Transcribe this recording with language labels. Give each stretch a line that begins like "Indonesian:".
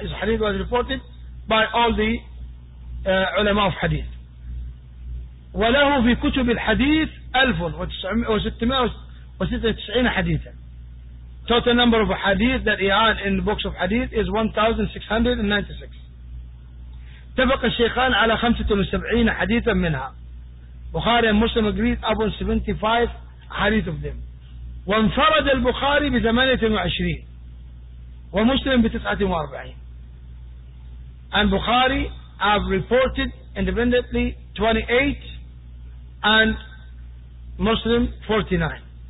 English: His hadith was reported by all the علماء of hadith.
Arabic: وله في كتب الحديث 1,696 حديثا.
English: Total number of hadith that he had in the books of hadith is 1,696.
Arabic: تفق الشيخان على 75 حديثا منها.
English: بخاري and Muslim agreed upon 75 حديث of them.
Arabic: وانفرد البخاري ب 28 ومسلم ب 49.
English: And Bukhari have reported independently 28 and Muslim 49.